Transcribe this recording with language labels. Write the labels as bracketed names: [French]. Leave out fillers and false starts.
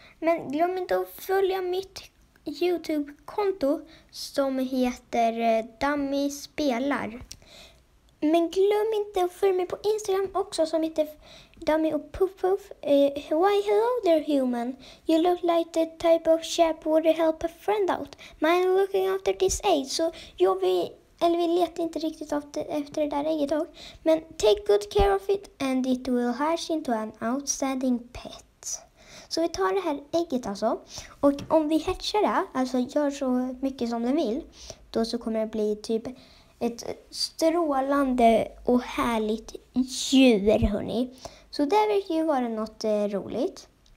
[Swedish] Men glöm inte att följa mitt YouTube-konto som heter Dummy Spelar. Men glöm inte att följa mig på Instagram också som heter Dummy och Puff Puff. [English] Why hello there human. You look like the type of chap would help a friend out. Mine looking after this egg. [Swedish] Så jag vi letar inte riktigt efter det där ägget dock. [English] Men take good care of it and it will hatch into an outstanding pet. [Swedish] Så vi tar det här ägget alltså. Och om vi hatchar det, alltså gör så mycket som den vill. Då så kommer det bli typ... Ett strålande och härligt djur, hörni. Så det verkar ju vara något roligt.